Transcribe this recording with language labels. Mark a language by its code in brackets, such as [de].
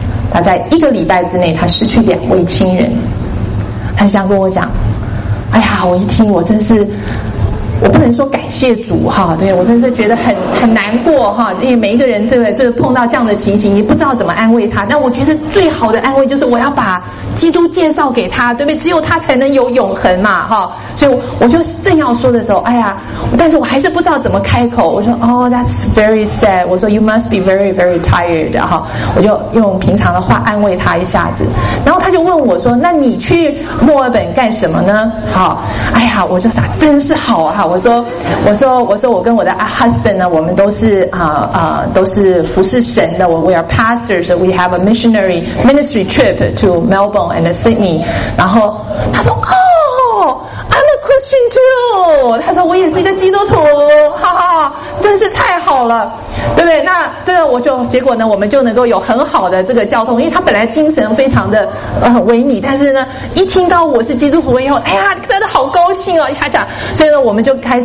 [zh] 他在一个礼拜之内他失去两位亲人，他就想跟我讲，哎呀我一听我真是，我不能说感谢主哈，对，我真是觉得很难过哈，因为每一个人对不对，就是碰到这样的情形，你不知道怎么安慰他。那我觉得最好的安慰就是我要把基督介绍给他，对不对？只有他才能有永恒嘛，哈。所以我就正要说的时候，哎呀，但是我还是不知道怎么开口。我说， [en] oh, that's very sad. [zh] 我说 [en] ，you must be very very tired 哈。 [zh] 我就用平常的话安慰他一下子，然后他就问我说，那你去墨尔本干什么呢？好，哎呀，我就想，真是好啊。我说我跟我的 husband 呢，我们都是都是服侍神的。 [en] We are pastors. We have a missionary ministry trip to Melbourne and Sydney. [zh] 然后他说哦 [en] ，I'm a Christian too. [zh] 他说我也是一个基督徒，哈哈，真是太好了，对不对？那这个我就结果呢，我们就能够有很好的这个交通，因为他本来精神非常的萎靡，但是呢，一听到我是基督徒以后，哎呀，真的好高兴哦，他讲，所以呢，我们就